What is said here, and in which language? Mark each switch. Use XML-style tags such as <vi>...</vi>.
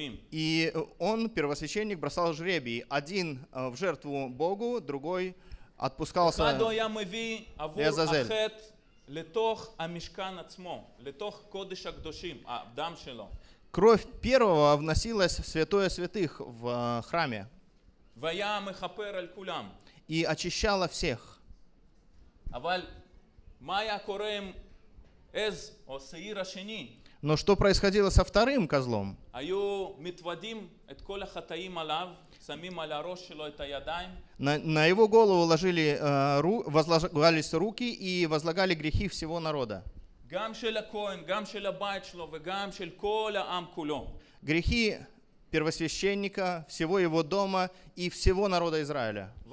<ru>И он, первосвященник, бросал жребий. Один в жертву Богу, другой отпускался в Азазель.</ru> <he>לתוך המשכן עצמו, לתוך קודש הקדושים, הדם שלו.</he> <ru>Кровь первого вносилась в святое святых в храме.</ru> <he>והיה מחפר על כולם.</he> <ru>И очищала всех.</ru> <he>אבל מה היה קורה עם עז או שעיר השני?</he> <ru>Но что происходило со вторым козлом? На его голову возлагались руки и возлагали грехи всего народа. Грехи первосвященника, всего его дома и всего народа Израиля.</ru>